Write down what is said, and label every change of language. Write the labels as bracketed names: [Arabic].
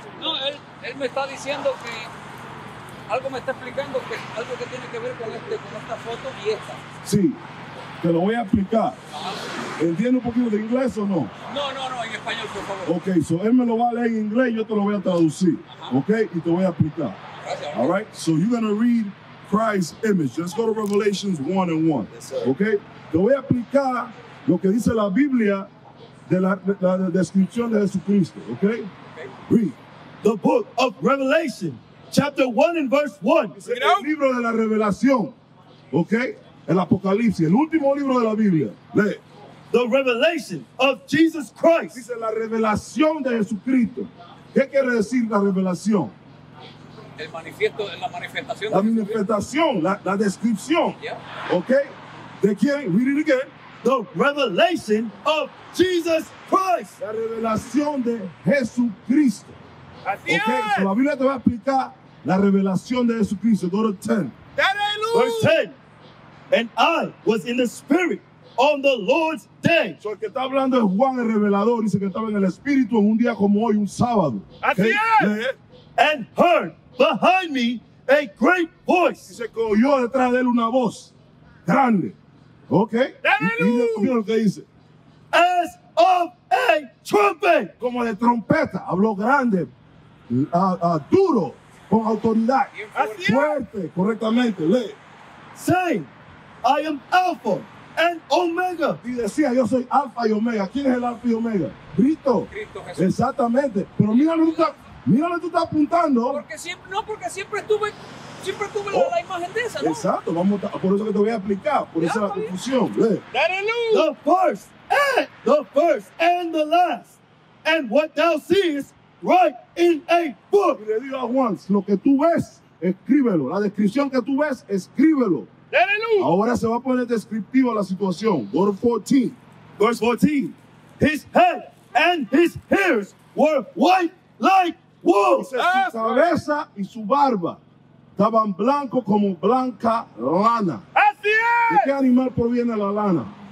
[Spanish] No, él me está diciendo que algo me está explicando que algo que tiene que ver con, este, con esta foto y esta. Sí. Te lo voy a explicar. ¿Entiendes un poquito de inglés o no? No, en español, por favor. Ok, so él me lo va a leer en inglés, yo te lo voy a traducir. Ajá. Ok, y te voy a explicar. Gracias. [English] All right, so you're going to read Christ's image. Let's go to Revelations 1 and 1. Yes, sir. [Spanish] Ok, te voy a explicar lo que dice la Biblia de la descripción de Jesucristo. [English] Okay? Ok, read. The book of Revelation, chapter 1 and verse 1. [Spanish] El libro de la revelación. Ok. El Apocalipsis, el último libro de la Biblia. Lee. [English] The revelation of Jesus Christ. [Spanish] Dice la revelación de Jesucristo. ¿Qué quiere decir la revelación? El manifiesto, la manifestación. La manifestación, la descripción. [English] Yeah. Okay. [Spanish] ¿De quién? [English] Read it again. The revelation of Jesus Christ. [Spanish] La revelación de Jesucristo. Así [English] okay. [Spanish] Es. So la Biblia te va a explicar la revelación de Jesucristo. [English] Go to 10. Verse 10. And I was in the spirit on the Lord's day. [Spanish] So el que está hablando es Juan el Revelador. Dice que estaba en el espíritu en un día como hoy, un sábado. Okay? Así es. [English] And heard behind me a great voice. [Spanish] Dice que oyó detrás de él una voz grande. [English] Okay. [Spanish] Aleluya. Y lo que dice. [English] As of a trumpet. [Spanish] Como de trompeta. Habló grande. Duro. Con autoridad. Así fuerte. Es. Correctamente. Lee. [English] Say. I am Alpha and Omega. [Spanish] Y decía, yo soy Alpha y Omega. ¿Quién es el Alpha y Omega? Cristo. Cristo Jesús. Exactamente. Pero mírale, tú estás apuntando. Porque siempre tuve la imagen de esa, ¿no? Exacto. Por eso que te voy a explicar. Por eso es la confusión. [English] That is the first and the last. And what thou seest, write in a book. [Spanish] Y le digo a Juan, lo que tú ves, escríbelo. La descripción que tú ves, escríbelo. Ahora se va a poner descriptivo la situación. [English] Go to 14. Verse 14. His head and his hairs were white like wool. [Spanish] Dice, su cabeza y su barba estaban blanco como blanca lana. Así es. ¿De qué animal proviene la lana?